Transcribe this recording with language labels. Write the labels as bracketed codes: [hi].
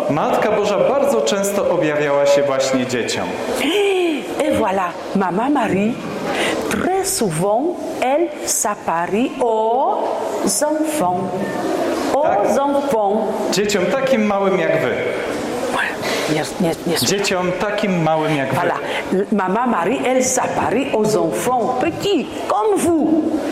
[pl] Matka Boża bardzo często objawiała się właśnie dzieciom. [fr] Et voilà, Mama Marie très souvent elle s'apparie aux enfants. Aux enfants. [pl] Dzieciom takim małym jak wy. Nie. Dzieciom takim małym jak [fr] voilà. [pl] Wy. [fr] Voilà, Mama Marie elle s'apparie aux enfants petits comme vous.